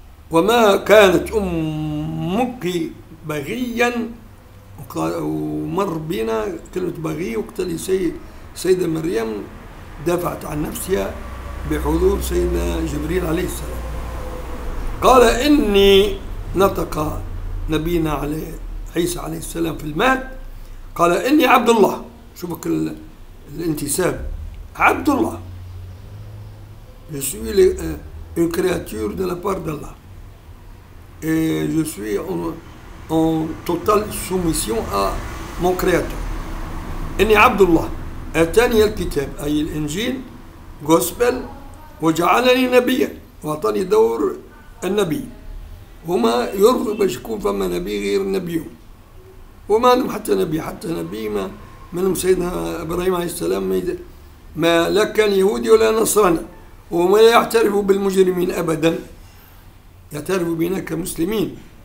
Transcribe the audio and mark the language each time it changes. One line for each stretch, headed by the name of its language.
Arabic: وما كانت أمك بغيا، ومر بنا كلمة بغي، وقتل سيدة مريم دافعت عن نفسها بحضور سيدنا جبريل عليه السلام. قال إني، نطق نبينا عليه عيسى عليه السلام في المهد، قال إني عبد الله. شوفك الانتساب، عبد الله.
French: Je suis une créature de la part d'Allah. Et je suis en totale soumission à mon créateur.
Arabic: إني عبد الله. أتاني الكتاب، أي الإنجيل، Gospel، وجعلني نبيا، وأعطاني دور النبي. هما يرضوا باش يكون فما نبي غير نبيهم. وما لهم حتى نبي، حتى نبي ما منهم سيدنا ابراهيم عليه السلام، ما لا كان يهودي ولا نصراني، وما يعترف بالمجرمين ابدا، يعترف بنا كمسلمين.